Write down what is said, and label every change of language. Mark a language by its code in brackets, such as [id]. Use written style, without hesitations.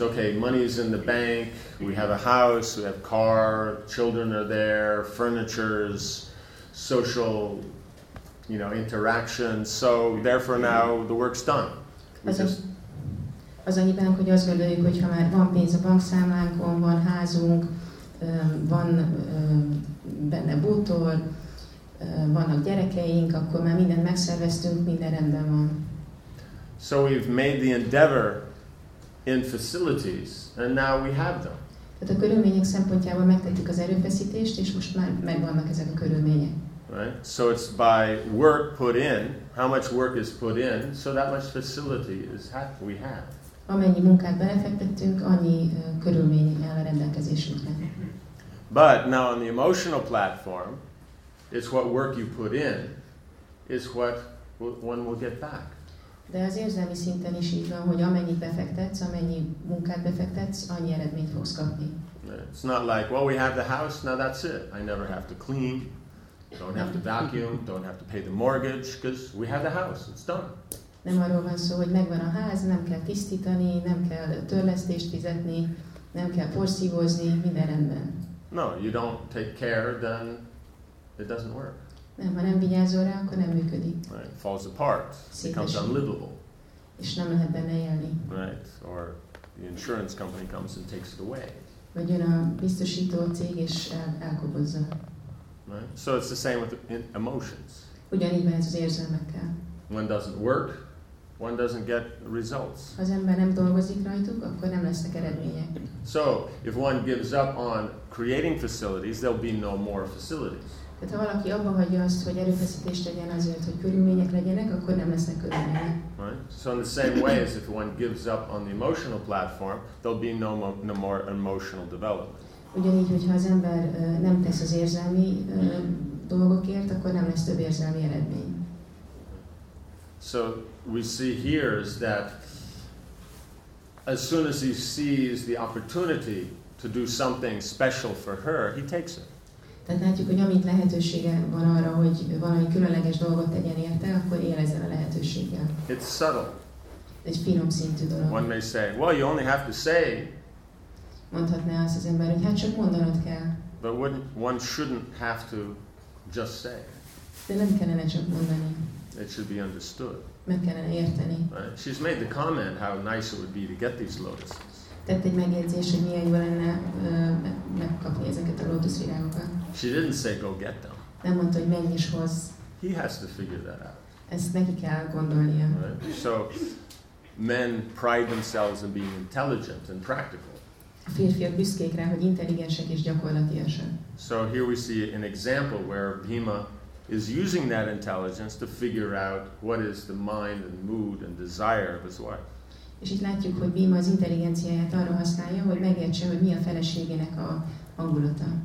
[en] Okay, money is in the bank, we have a house, we have car, children are there, furniture's, social, you know, interaction. So therefore now the work's done. [hu] Az a hibánk, hogy azt gondoljuk, hogy ha már van pénz a bankszámlánkon, van házunk, van benne bútor, vannak gyerekeink, akkor már mindent megszerveztünk, minden rendben van. [en] So we've made the endeavor in facilities, and now we have them. [hu] Tehát a körülmények szempontjából megtettük az erőfeszítést, és most már megvannak ezek a körülmények. [en] Right? So it's by work put in, how much work is put in, so that much facility is half we have. [hu] Amennyi munkát belefektettünk, annyi körülmény áll a rendelkezésünkre. [en] But now on the emotional platform, it's what work you put in, is what one will get back. [hu] De az érzelmi szinten is így van, hogy amennyit befektetsz, amennyi munkát befektetsz, annyi eredményt fogsz kapni. [en] It's not like, well, we have the house, now that's it. I never have to clean, don't have to vacuum, don't have to pay the mortgage, because we have the house, it's done. [hu] Nem arról van szó, hogy megvan a ház, nem kell tisztítani, nem kell törlesztést fizetni, nem kell porszívózni, minden rendben. [en] No, you don't take care, then it doesn't work. [hu] Nem, ha nem vigyázol rá, akkor nem működik. [en] Right. Falls apart. [hu] Szétesik. [en] Becomes unlivable. [hu] És nem lehet benne élni. [en] Right. Or the insurance company comes and takes it away. [hu] Vagy jön a biztosító cég és elkobozza. [en] Right. So it's the same with emotions. [hu] Ugyanígy van ez az érzelmekkel. [en] One doesn't work, one doesn't get results. [hu] Ha az ember nem dolgozik rajtuk, akkor nem lesznek eredmények. [en] So, if one gives up on creating facilities, there'll be no more facilities. [hu] Tehát ha valaki abba hagyja azt, hogy erőfeszítést tegyen azért, hogy körülmények legyenek, akkor nem lesznek körülmények. [en] Right? So in the same way as if one gives up on the emotional platform, there'll be no more emotional development. [hu] Ugyanígy, hogyha az ember nem tesz az érzelmi dolgokért, akkor nem lesz több érzelmi eredmény. [en] So we see here is that as soon as he sees the opportunity to do something special for her, he takes it. [hu] Tehát látjuk, hogy amit lehetősége van arra, hogy valami különleges dolgot tegyen érte, akkor él ezzel a lehetőséggel. [en] It's subtle. [hu] Egy finom szintű dolog. [en] One may say, well, you only have to say. [hu] Mondhatná azt az ember, hogy hát csak mondanod kell. [en] But one shouldn't have to just say. [hu] De nem kellene csak mondani. [en] It should be understood. [hu] Meg kellene érteni. [en] Right? She's made the comment how nice it would be to get these lotuses. [hu] Tett egy megjegyzés, hogy milyen jó lenne megkapni ezeket a lótuszvirágokat. [en] She didn't say go get them. [hu] Nem mondta, hogy menj és hozz. [en] He has to figure that out. [hu] Ezt neki kell gondolnia. [en] Right? So men pride themselves in being intelligent and practical. [hu] A férfiak büszkék rá, hogy intelligensek és gyakorlatiasak. [en] So here we see an example where Bhima is using that intelligence to figure out what is the mind and mood and desire of his wife. [hu] És itt látjuk, hogy Bhima az intelligenciáját arra használja, hogy megértse, hogy mi a feleségének a hangulata.